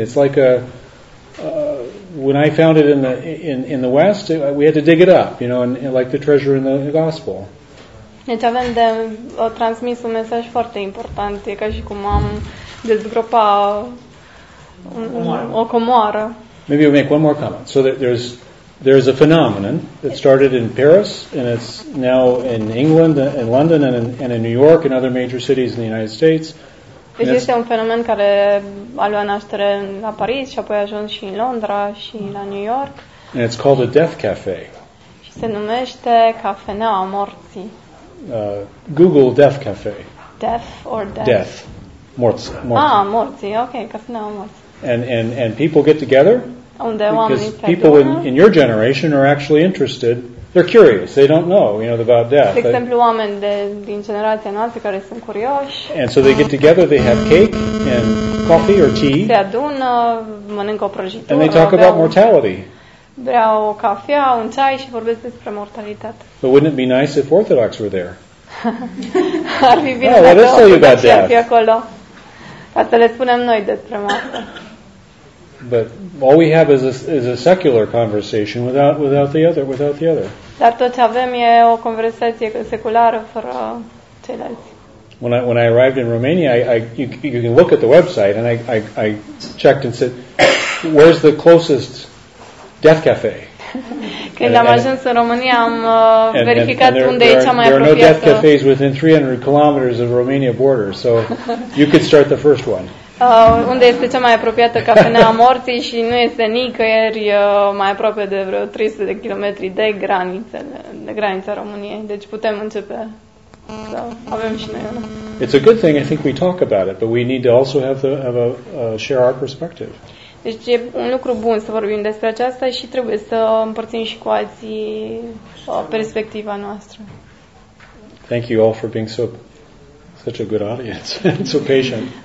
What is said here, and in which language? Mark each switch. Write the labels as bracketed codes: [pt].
[en] It's like when I found it in the West, we had to dig it up, you know, and like the treasure in the gospel. [ro] Deci avem de o transmis un mesaj foarte important, e ca și cum am dezgropat o comoară. [en] Maybe we'll make one more comment. So that there's a phenomenon that started in Paris, and it's now in England, in London, and in New York, and other major cities in the United States. [ro] Există un fenomen care a luat naștere la Paris și apoi a ajuns și în Londra și la New York. [en] And it's called a death cafe. [ro] Și se numește cafeneaua morții. [en] Google death cafe. Death or death? Death. [ro] Morți. Ah, morții. Okay, cafeneaua morții. [en] And people get together. Because people in your generation are actually interested. They're curious. They don't know, you know, about death. [ro] De exemplu, oameni din generația noastră care sunt curioși. [en] And so they get together, they have cake and coffee or tea. [ro] Se adună, mănâncă o prăjitură. [en] And they talk about mortality. [ro] Beau o cafea, un ceai și vorbesc despre mortalitate. [en] But wouldn't it be nice if Orthodox were there? [ro] Ar fi bine dacă Orthodox ar fi acolo. Ca să le spunem noi despre moarte. [en] But all we have is a secular conversation without the other. [ro] Dar tot ce avem e o conversație seculară fără ceilalți. [en] When I arrived in Romania, you can look at the website, and I checked and said, where's the closest death cafe? [ro] Când am ajuns în România, am verificat unde e cea mai apropiată. [en] There are no death cafes within 300 kilometers of Romania border, so you could start the first one. [ro] Unde este cea mai apropiată cafenea morții și nu este nicăieri mai aproape de vreo 300 de kilometri de granița României. Deci putem începe să avem și noi una. [en] It's a good thing, I think we talk about it, but we need to also share our perspective. [ro] Deci e un lucru bun să vorbim despre aceasta și trebuie să împărțim și cu alții perspectiva noastră. [en] Thank you all for being so such a good audience and so patient.